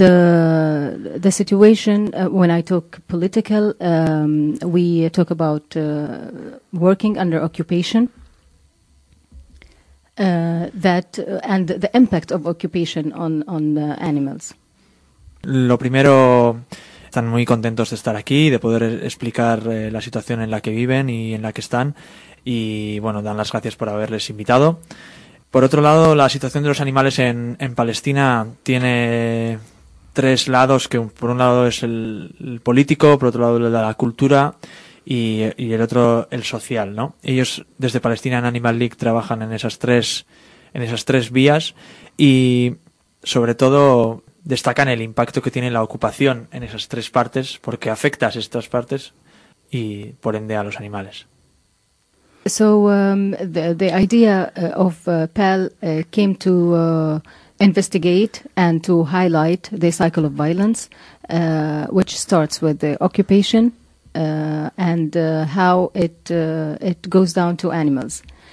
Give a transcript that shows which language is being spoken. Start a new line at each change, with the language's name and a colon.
English: The situation, when I talk political, we talk about working under occupation, that and the impact of occupation on the animals.
Spanish: Lo primero, están muy contentos de estar aquí y de poder explicar la situación en la que viven y en la que están, y bueno, dan las gracias por haberles invitado. Por otro lado, la situación de los animales en Palestina tiene tres lados, que por un lado es el político, por otro lado el de la cultura y el otro el social, ¿no? Ellos desde Palestina en Animal League trabajan en esas tres vías y sobre todo destacan el impacto que tiene la ocupación en esas tres partes, porque afecta a estas partes y por ende a los animales.
English: So the idea of PAL came to investigate and to highlight the cycle of violence, which starts with the occupation and how it goes down to animals.